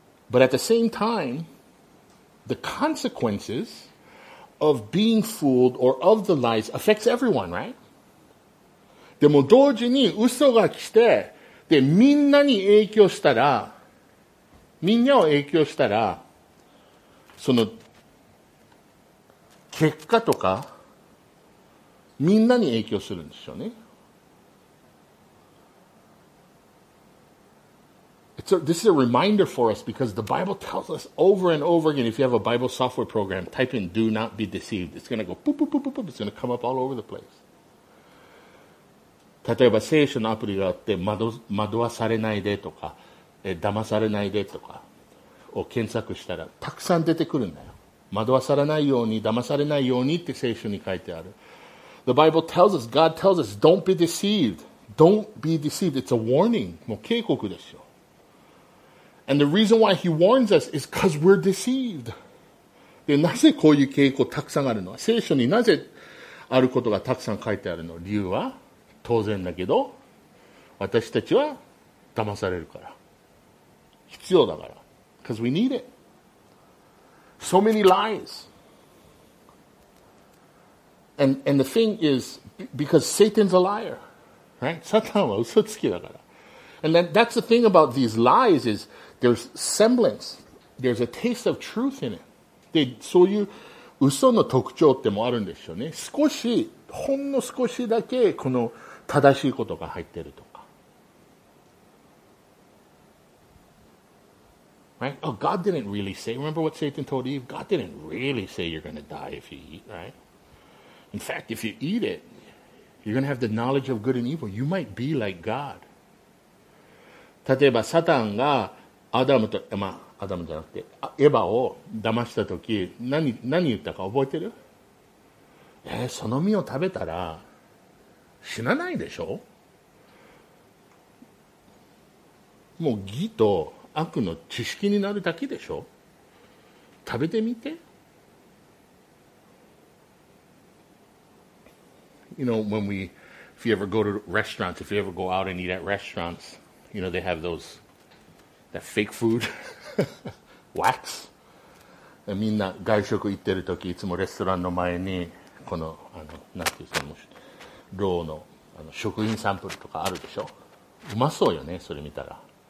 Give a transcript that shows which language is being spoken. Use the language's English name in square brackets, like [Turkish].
[English] But at the same time, the consequences of being fooled or of the lies affects everyone, right? [Japanese] でも同時に嘘が来て、で、みんなに影響したら、みんなを影響したら、その、結果とか、みんなに影響するんですよね。 [English] So this is a reminder for us because the Bible tells us over and over again, if you have a Bible software program, type in do not be deceived. It's going to go boop, boop, boop, boop, boop. It's going to come up all over the place. [Japanese] 例えば聖書のアプリがあって惑わされないでとか、騙されないでとかを検索したらたくさん出てくるんだよ。惑わされないように、騙されないようにって聖書に書いてある。 [English] The Bible tells us, God tells us, don't be deceived. Don't be deceived. It's a warning. [Japanese] もう警告ですよ。 [English] And the reason why he warns us is because we're deceived. [Japanese] で、なぜこういう傾向たくさんあるの？聖書になぜあることがたくさん書いてあるの？理由は当然だけど、私たちは騙されるから。必要だから。 [English] Because we need it. So many lies. And the thing is, because Satan's a liar. Right? [Japanese] サタンは嘘つきだから。 [English] And that's the thing about these lies is,There's semblance. There's a taste of truth in it. [Japanese] で、そういう嘘の特徴ってもあるんですよね。少し、ほんの少しだけこの正しいことが入ってるとか。 [English] Right? Oh, God didn't really say. Remember what Satan told Eve? God didn't really say you're going to die if you eat, right? In fact, if you eat it, you're going to have the knowledge of good and evil. You might be like God. [Japanese] 例えば、サタンがアダムと、まあ、アダムじゃなくて、エヴァを騙したとき、何言ったか覚えてる？その実を食べたら、死なないでしょ？もう義と悪の知識になるだけでしょ？食べてみて。 [English] You know, when we, if you ever go to restaurants, if you ever go out and eat at restaurants, you know, they have those,That fake food, wax. [Japanese] みんな外食行ってるとき、いつもレストランの前にこのなんていうそのろうの食品サンプルとかあるでしょ。うまそうよね、それ見たら。